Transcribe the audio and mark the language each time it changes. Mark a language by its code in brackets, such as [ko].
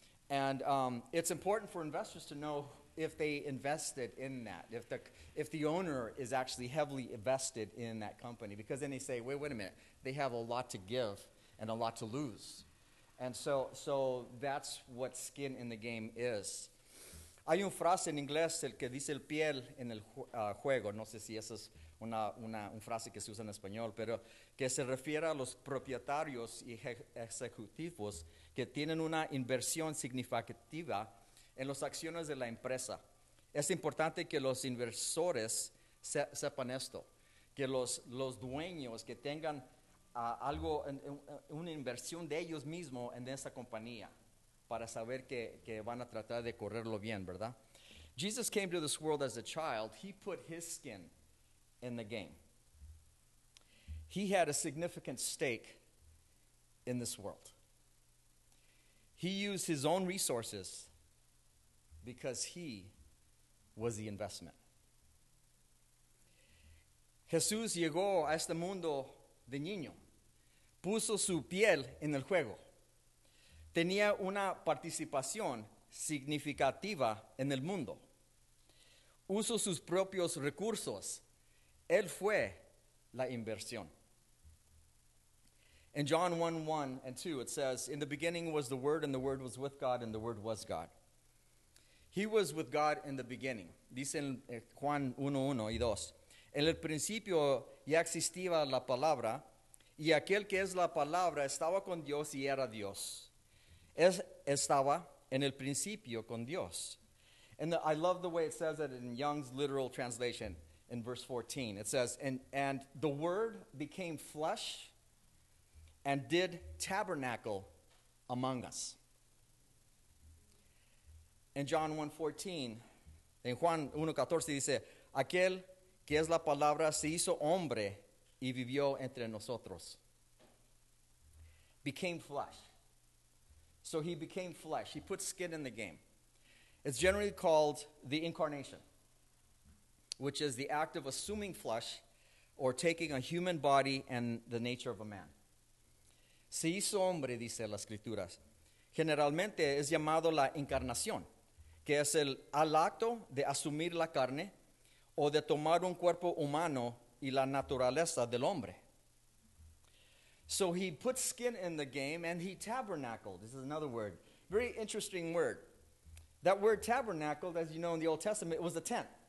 [en] And it's important for investors to know if they invested in that, if the owner is actually heavily invested in that company, because then they say, wait a minute, they have a lot to give and a lot to lose. And so that's what skin in the game is. [es] Hay un frase en inglés, el que dice el piel en el juego. No sé si esa es una frase que se usa en español, pero que se refiere a los propietarios y ejecutivos que tienen una inversión significativa en las acciones de la empresa. Es importante que los inversores sepan esto, que los dueños que tengan algo, una inversión de ellos mismos en esa compañía, para saber que van a tratar de correrlo bien, ¿verdad? [en] Jesus came to this world as a child. He put his skin in the game. He had a significant stake in this world. He used his own resources because he was the investment. [es] Jesús llegó a este mundo de niño. Puso su piel en el juego. Tenía una participación significativa en el mundo. Usó sus propios recursos. Él fue la inversión. [en] In John 1, 1 and 2, it says, "In the beginning was the Word, and the Word was with God, and the Word was God." He was with God in the beginning. [es] Dice en Juan 1, 1 y 2. En el principio ya existía la palabra, y aquel que es la palabra estaba con Dios y era Dios. Estaba en el principio con Dios. [en] And I love the way it says it in Young's literal translation in verse 14. It says, and the Word became flesh and did tabernacle among us. In John 1:14, [es] en Juan 1:14 dice, aquel que es la palabra se hizo hombre y vivió entre nosotros. [en] Became flesh. So he became flesh. He put skin in the game. It's generally called the incarnation, which is the act of assuming flesh or taking a human body and the nature of a man. [es] Se hizo hombre, dice las escrituras. Generalmente es llamado la encarnación, que es el acto de asumir la carne o de tomar un cuerpo humano y la naturaleza del hombre. [en] So he put skin in the game and he tabernacled. This is another word. Very interesting word. That word tabernacled, as you know in the Old Testament, it was a tent.